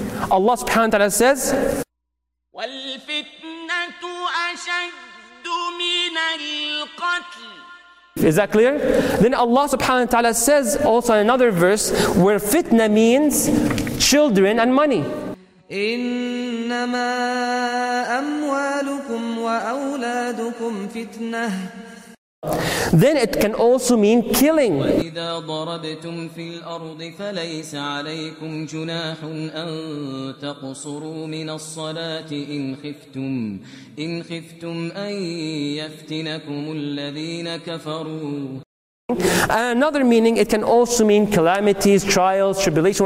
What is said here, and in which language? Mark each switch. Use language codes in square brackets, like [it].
[en] Allah subhanahu wa ta'ala says, [ar] وَالْفِتْنَةُ أَشَدُّ مِنَ الْقَتْلِ. [en] Is that clear? Then Allah subhanahu wa ta'ala says also in another verse where fitna means children and money. [ar] إنما أموالكم وأولادكم فتنة. [en] Then it can also mean killing. [ar] وإذا ضربتم في الأرض فليس عليكم جناح أن تقصروا من الصلاة إن خفتم أن يفتنكم الذين كفروا. [en] And another meaning, it can also mean calamities, trials, tribulation.